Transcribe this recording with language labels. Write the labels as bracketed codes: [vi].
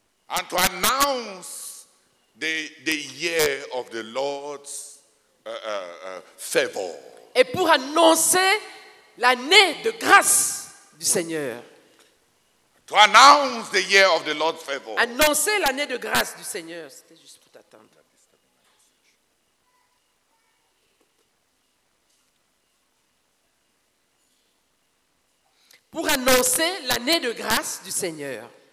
[en] and to announce the year of the Lord's favor. [fr] Et pour annoncer l'année de grâce du Seigneur. [en] To announce the year of the Lord's favor. [fr] Annoncer l'année de grâce du Seigneur. C'était juste pour t'attendre. Pour annoncer l'année de grâce du Seigneur.